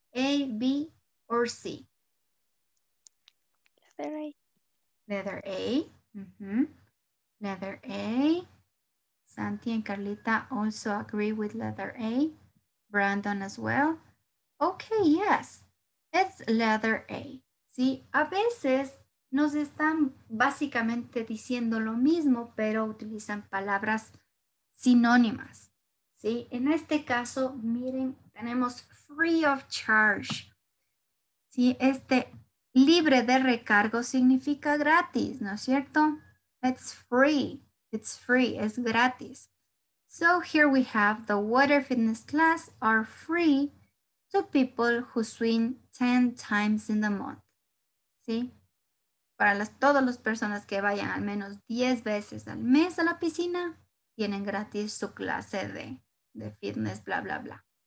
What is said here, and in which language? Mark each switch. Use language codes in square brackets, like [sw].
[en] A, B, or C? Letter A. Letter A. Mm-hmm. Letter A. Santi and Carlita also agree with letter A. Brandon as well. Okay, yes, it's letter A. [es] Sí, a veces nos están básicamente diciendo lo mismo, pero utilizan palabras sinónimas. Sí, en este caso, miren, tenemos [en] free of charge. [es] Sí, este Libre de recargo significa gratis, ¿no es cierto? [en] It's free. It's free. [es] Es gratis. [en] So here we have the water fitness class are free to people who swim 10 times in the month. [es] ¿Sí? Para las, todas las personas que vayan al menos 10 veces al mes a la piscina, tienen gratis su clase de fitness, bla, bla, bla.